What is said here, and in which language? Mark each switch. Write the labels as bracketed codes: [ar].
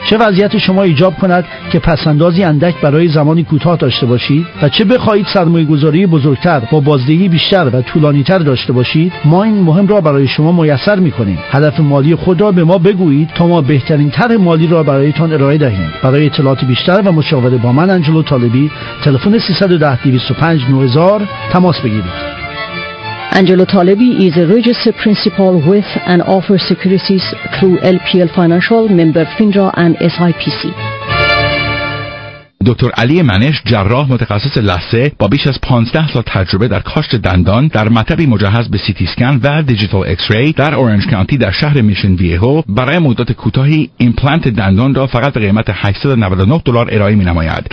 [fa] چه وضعیت شما ایجاب کند که پسندازی اندک برای زمانی کوتاه داشته باشید و چه بخواهید سرمایه گذاری بزرگتر با بازدهی بیشتر و طولانی تر داشته باشید، ما این مهم را برای شما میسر میکنیم. هدف مالی خود را به ما بگویید تا ما بهترین طرح مالی را برایتان ارائه دهیم. برای اطلاعات بیشتر و مشاوره با من آنجلو طالبی، تلفن 310-205-9000 تماس بگیرید. [en] Angelo Talebi is a registered principal with and offers securities through LPL Financial, member FINRA and SIPC. [fa] دکتر علی منش، جراح متخصص لثه با بیش از 15 سال تجربه در کاشت دندان، در مطبی مجهز به سیتی اسکن و دیجیتال ایکس ری در اورنج کانتی در شهر میشن ویهو، برای مدت کوتاهی ایمپلنت دندان را فقط به قیمت $899 ارائه می نماید.